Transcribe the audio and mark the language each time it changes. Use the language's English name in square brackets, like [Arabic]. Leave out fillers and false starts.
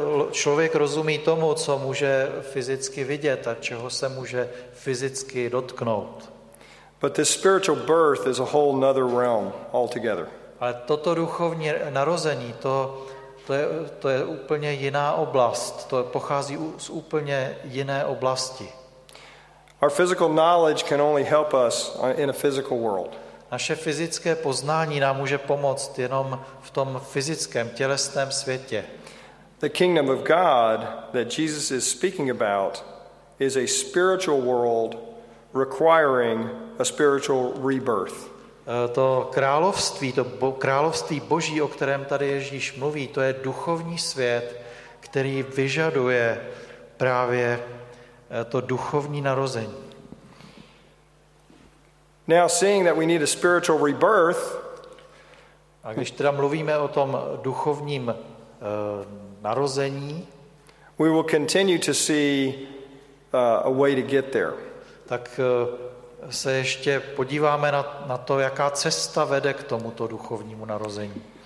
[Czech] Člověk rozumí tomu, co může fyzicky vidět a čeho se může fyzicky dotknout. [English] But this spiritual birth is a whole another realm altogether. [Czech] Ale toto duchovní narození, to je úplně jiná oblast, to pochází z úplně jiné oblasti. [English] Our physical knowledge can only help us in a physical world. [Czech] Naše fyzické poznání nám může pomoct jenom v tom fyzickém tělesném světě. [English] The kingdom of God that Jesus is speaking about is a spiritual world requiring a spiritual rebirth. [Czech] To království, to království Boží, o kterém tady Ježíš mluví, to je duchovní svět, který vyžaduje právě to duchovní narození. [English] Now seeing that we need a spiritual rebirth, [Czech] a když teda mluvíme o tom duchovním narození, [English] we will continue to see a way to get there. [Czech] Tak se ještě podíváme na to, jaká cesta vede k tomuto duchovnímu narození.